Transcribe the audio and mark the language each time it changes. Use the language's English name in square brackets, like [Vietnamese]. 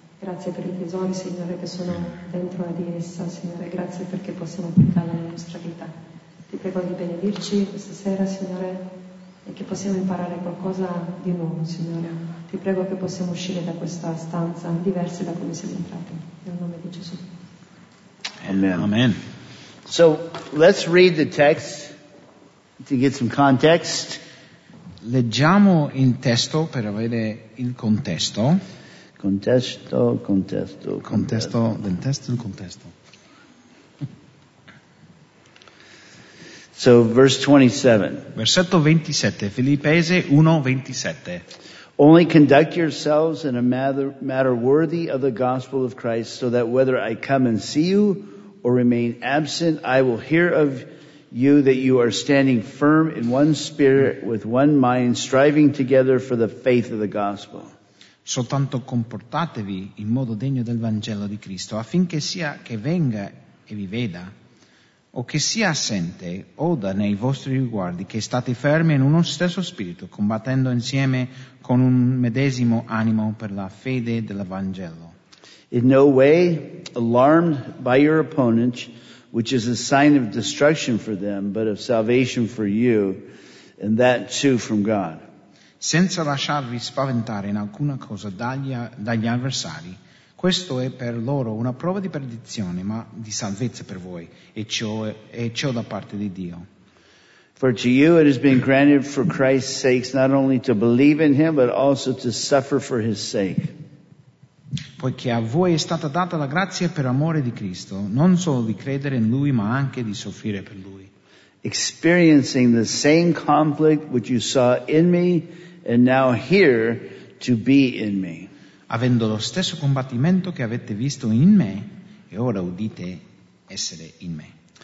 [Italian] Grazie per i tesori, Signore, che sono dentro di essa, Signore. Grazie perché possiamo applicarla nella nostra vita. Ti prego di benedirci questa sera, Signore, e che possiamo imparare qualcosa di nuovo, Signore. Ti prego che possiamo uscire da questa stanza diversa da come siamo entrati. Nel nome di Gesù. Amen. Amen. [English] So, let's read the text to get some context. [Italian] Leggiamo il testo per avere il contesto. Contesto. Contesto del testo, il contesto. [English] So, verse 27. [Italian] Versetto 27, Filippesi 1, 27. [English] Only conduct yourselves in a matter worthy of the gospel of Christ, so that whether I come and see you or remain absent, I will hear of you that you are standing firm in one spirit, with one mind, striving together for the faith of the gospel. [Italian] Soltanto comportatevi in modo degno del Vangelo di Cristo, affinché sia che venga e vi veda, o che sia assente, oda nei vostri riguardi che state fermi in uno stesso spirito, combattendo insieme con un medesimo animo per la fede del Vangelo. [English] In no way alarmed by your opponents, which is a sign of destruction for them, but of salvation for you, and that too from God. [Italian] Senza lasciarvi spaventare in alcuna cosa dagli avversari. Questo è per loro una prova di perdizione, ma di salvezza per voi, e ciò da parte di Dio. [English] For to you it has been granted for Christ's sake not only to believe in him but also to suffer for his sake. [Italian] Poiché a voi è stata data la grazia per amore di Cristo, non solo di credere in lui ma anche di soffrire per lui. [English] Experiencing the same conflict which you saw in me and now here to be in me. [Italian] Avendo lo stesso combattimento che avete visto in me e ora udite essere in me.